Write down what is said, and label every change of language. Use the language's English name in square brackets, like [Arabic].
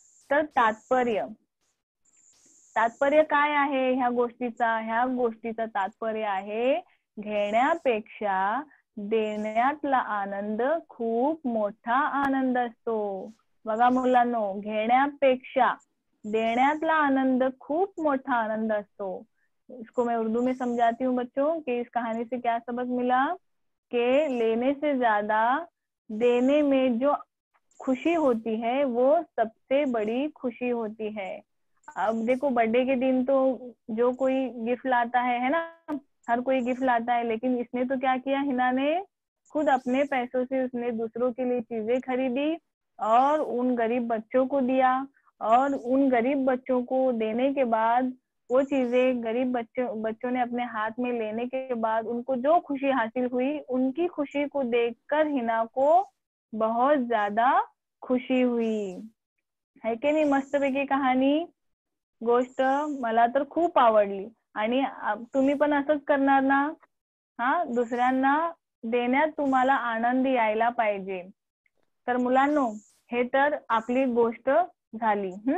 [Marathi] तर तात्पर्य काय आहे ह्या गोष्टीचा? ह्या गोष्टीचं तात्पर्य आहे, घेण्यापेक्षा देण्यातला आनंद खूप मोठा आनंद असतो. बघा मुलांनो, घेण्यापेक्षा देण्यातला आनंद खूप मोठा आनंद असतो. [Hindi] इसको मैं उर्दू में समझाती हूँ बच्चों कि इस कहानी से क्या सबक मिला, कि लेने से ज्यादा देने में जो खुशी होती है वो सबसे बड़ी खुशी होती है. अब देखो, बर्थडे के दिन तो जो कोई गिफ्ट लाता है ना, हर कोई गिफ्ट लाता है, लेकिन इसने तो क्या किया, हिना ने खुद अपने पैसों से उसने दूसरों के लिए चीजें खरीदी और उन गरीब बच्चों को दिया. और उन गरीब बच्चों को देने के बाद, वो चीजें गरीब बच्चों ने अपने हाथ में लेने के बाद उनको जो खुशी हासिल हुई, उनकी खुशी को देखकर हिना को बहुत ज्यादा खुशी हुई. है कि नहीं [Marathi] मस्त पैकी [Hindi] कहानी गोष्ट? [Marathi] मला तर खूप आवडली. आणि तुम्ही पण असंच करणार ना? हा, दुसऱ्यांना देण्यात तुम्हाला आनंद यायला पाहिजे. तर मुलांनो, हे तर आपली गोष्ट झाली.